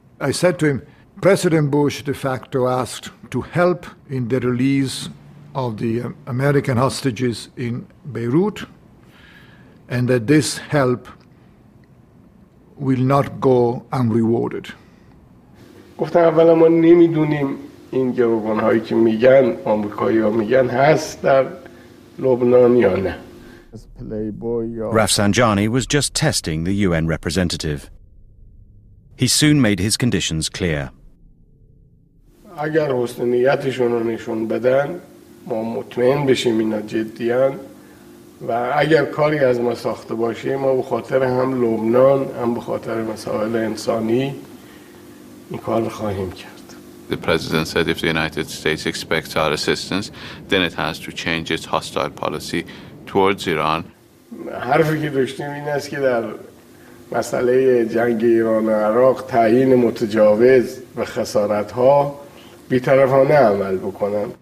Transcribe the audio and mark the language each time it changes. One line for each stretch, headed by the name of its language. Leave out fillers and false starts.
English: I said to him, President Bush de facto asked to help in the release of the American hostages in Beirut, and that this help will not go unrewarded.
Persian: گفتم اولا ما نمیدونیم این گروگان‌هایی که میگن آمریکایی‌ها میگن هست در لبنان یا نه.
English: Rafsanjani was just testing the UN representative. He soon made his conditions clear.
Persian: اگر حسن نیتشون رو نشون بدن ما مطمئن بشیم اینا جدیان و اگر کاری از ما ساخته باشه ما به خاطر هم لبنان هم به خاطر مسائل انسانی این کار رو خواهیم کرد.
English: The president said if the United States expects our assistance then it has to change its hostile policy towards Iran.
Persian: حرفی که داشتیم این است که در مسئله جنگ ایران و عراق تعیین متجاوز و خسارت ها بی‌طرفانه عمل بکنن.